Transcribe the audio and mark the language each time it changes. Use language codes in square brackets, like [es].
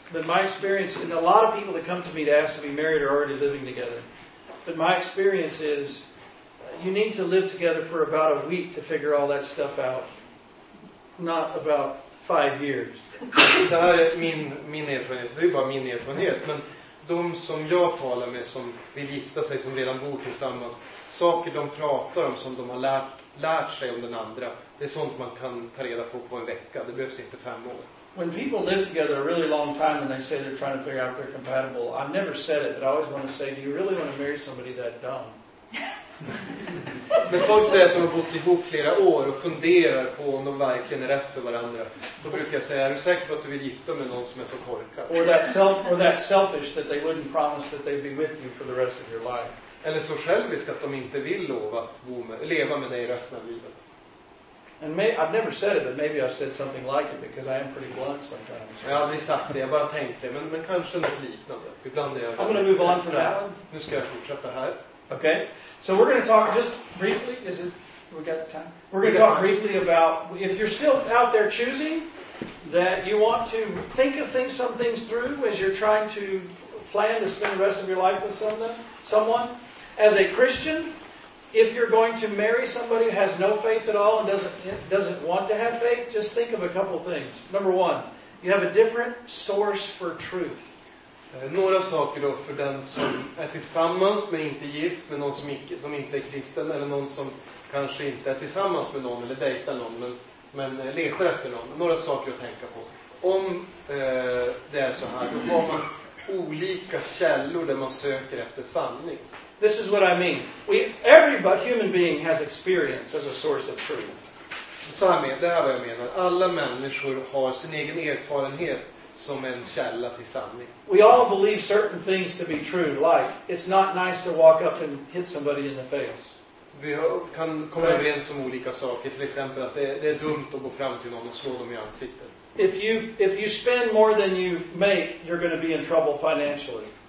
[en] But my experience, and a lot of people that come to me to ask to be married are already living together. But my experience is, you need to live together for about a week to figure all that stuff out. Not about 5 years. [sv] Det här är min erfarenhet. Det är bara min erfarenhet. Men de som jag talar med som vill gifta sig, som redan bor tillsammans, saker de pratar om som de har lärt sig om den andra, det är sånt man kan ta reda på en vecka. Det behövs inte 5 år. [en] When people live together a really long time and they say they're trying to figure out if they're compatible, I've never said it, but I always want to say, do you really want to marry somebody that dumb? [sv] Men folk säger att de har bott ihop flera år och funderar på om de verkligen är rätt för varandra. Då brukar jag säga, är du säker på att du vill gifta med någon som är så korkad? [en] Or that selfish that they wouldn't promise that they'd be with you for the rest of your life. [sv] Eller så självisk att de inte vill lova att leva med dig resten av livet. [en] And I've never said it, but maybe I've said something like it because I am pretty blunt sometimes. [sv] Jag har aldrig sagt det, jag bara tänkte, men kanske något liknande. Ibland är jag. [en] I'm gonna move on for that one. [sv] Nu ska jag fortsätta här. [en] Okay, so we're gonna talk just briefly. We got time? We're gonna talk briefly about if you're still out there choosing that you want to think of things, some things through as you're trying to plan to spend the rest of your life with someone as a Christian. If you're going to marry somebody who has no faith at all and doesn't want to have faith, just think of a couple things. Number one, you have a different source for truth. [sv] Några saker då för den som är tillsammans men inte gift med någon som inte är kristen, eller någon som kanske inte är tillsammans med någon eller dejtar någon men letar efter någon. Några saker att tänka på. Om det är så här, då har man olika källor där man söker efter sanning. [en] This is what I mean. Every human being has experience as a source of truth. [sv] Så här menar, det här är vad jag menar. Alla människor har sin egen erfarenhet som en källa till sanning. [en] We all believe certain things to be true, like it's not nice to walk up and hit somebody in the face. [sv] Vi kan komma överens om olika saker, till exempel att det är dumt att gå fram till någon och slå dem i ansiktet. [en] If you spend more than you make, you're going to be in trouble financially.